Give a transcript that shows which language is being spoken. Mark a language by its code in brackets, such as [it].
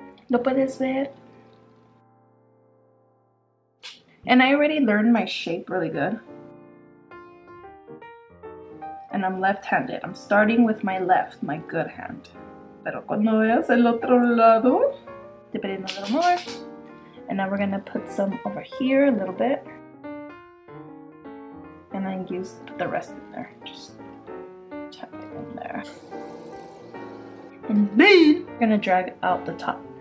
[es] ¿Lo puedes ver? [en] And I already learned my shape really good. And I'm left-handed. I'm starting with my left, my good hand. [es] Pero cuando veas el otro lado, [en] dipping a little more. And now we're gonna put some over here a little bit. And then use the rest in there. Just tap it in there. And then we're gonna drag out the top.